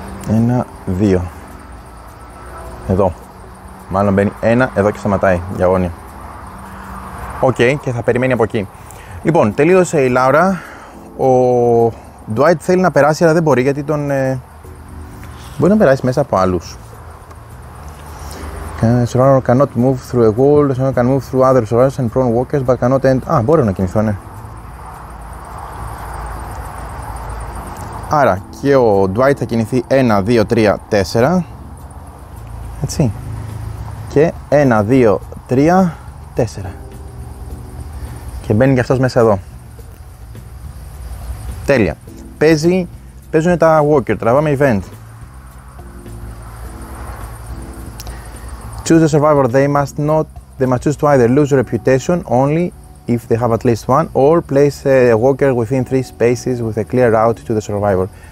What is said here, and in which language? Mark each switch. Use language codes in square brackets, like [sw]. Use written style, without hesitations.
[el] Ένα, δύο. Εδώ. Μάλλον μπαίνει ένα, εδώ και σταματάει η αγώνια. Οκ, και θα περιμένει από εκεί. Λοιπόν, τελείωσε η Λάουρα. Ο Ντουάιτ θέλει να περάσει, αλλά δεν μπορεί γιατί τον... μπορεί να περάσει μέσα από άλλους. [en] Survivor cannot move through a wall. Survivor can move through other survivors and prone walkers, but cannot end... [el] Α, μπορεί να κινηθώ, ναι. Άρα και ο Ντουάιτ θα κινηθεί 1, 2, 3, 4. Έτσι. Και 1, 2, 3, 4. Και μπαίνει και αυτός μέσα εδώ. Τέλεια. Παίζουν τα Walker. Τραβάμε event. [en] Choose a survivor. They must choose to either lose reputation only if they have at least one or place a Walker within 3 spaces with a clear route to the survivor.